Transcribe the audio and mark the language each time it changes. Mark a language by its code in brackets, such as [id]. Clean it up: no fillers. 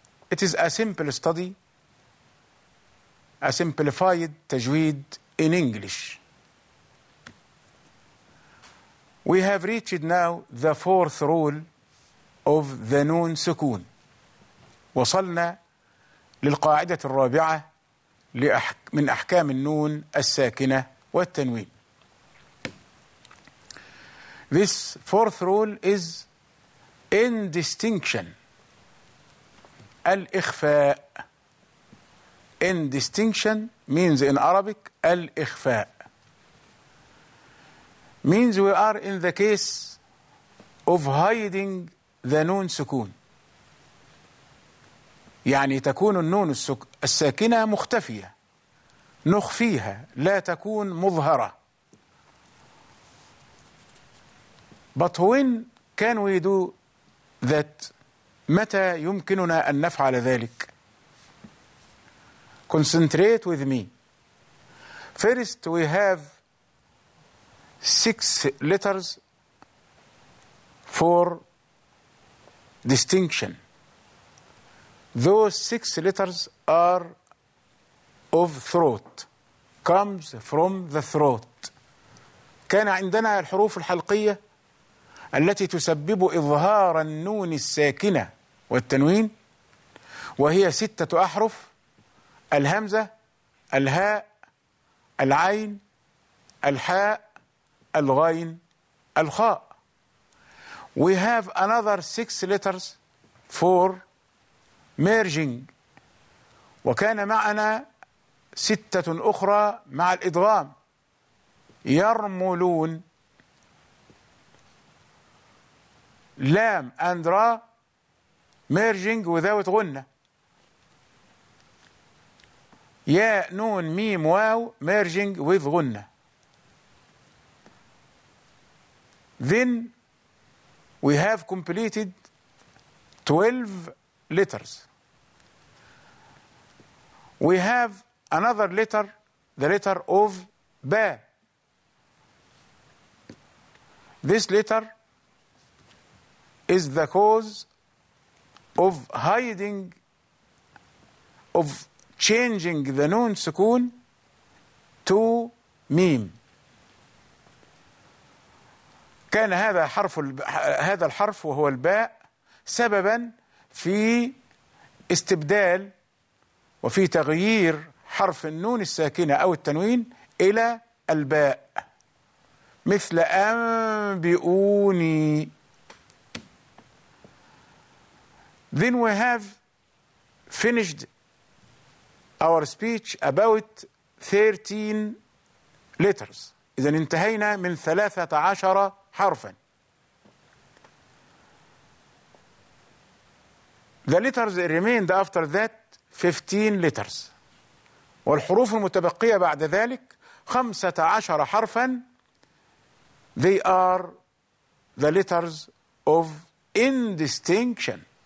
[en] It is a simple study, a simplified tajweed in English. We have reached now the fourth rule of the noon sukoon. [ar] وصلنا للقاعدة الرابعة من أحكام النون الساكنة والتنوين. [en] This fourth rule is indistinction. [ar] الإخفاء. [en] Indistinction means in Arabic الإخفاء. Means we are in the case of hiding the noon sukoon. [ar] يعني تكون النون الساكنة مختفية. نخفيها لا تكون مظهرة. [en] But when can we do that? [ar] متى يمكننا أن نفعل ذلك؟ [en] Concentrate with me. First we have six letters for distinction. Those six letters are of throat. Comes from the throat. [ar] كان عندنا الحروف الحلقية التي تسبب إظهار النون الساكنة والتنوين وهي ستة أحرف: الهمزة، الهاء، العين، الحاء، الغين، الخاء. [en] We have another six letters for merging. [ar] وكان معنا ستة أخرى مع الإدغام: يرملون، لام and را merging without غنة، ياء نون ميم واو merging with غنة. [en] Then we have completed 12 letters. We have another letter, the letter of باء. This letter is the cause of hiding, of changing the noon sukoon to ميم. [ar] كان هذا حرف هذا الحرف وهو الباء سببا في استبدال وفي تغيير حرف النون الساكنة أو التنوين إلى الباء، مثل أنبئوني. [en] Then we have finished our speech about 13 letters. [ar] إذن انتهينا من 13 حرفا. [en] The letters remained after that 15 letters. [ar] والحروف المتبقية بعد ذلك 15 حرفا. [en] They are the letters of indistinction.